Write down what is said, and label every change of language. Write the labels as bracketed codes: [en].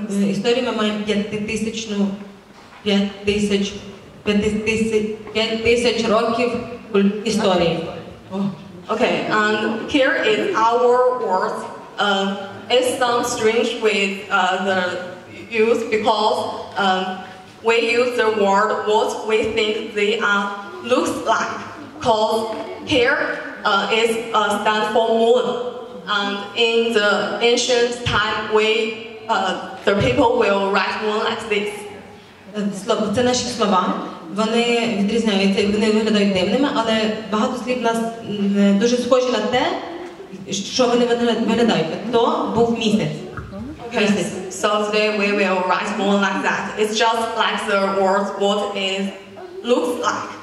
[uk] історію ми маємо 5000 років історії. [en] Okay, and here is our word. It sounds strange with the use because we use the word what we think they are looks like. Because here is stand for moon, and in the ancient time, the people will write moon like this. [uk] Це наші слова. Вони відрізняються, вони виглядають дивними, але багато слів нас дуже схожі на те, що вони виглядають. То був місяць. [en] So today we will write moon like that. It's just like the word what it looks like.